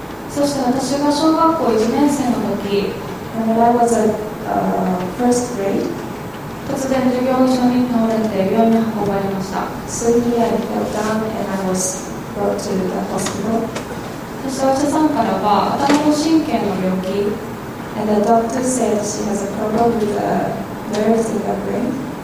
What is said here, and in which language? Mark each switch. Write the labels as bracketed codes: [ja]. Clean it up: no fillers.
[ja] そして私が小学校1年生の時、 [en] When I was at first grade, [ja] 突然授業中に倒れて病院に運ばれました。 [en] Suddenly I fell down and I was brought to the hospital. [ja] そしてお医者さんからは頭の神経の病気 [en] And the doctor said she has a problem with a nerve in the brain.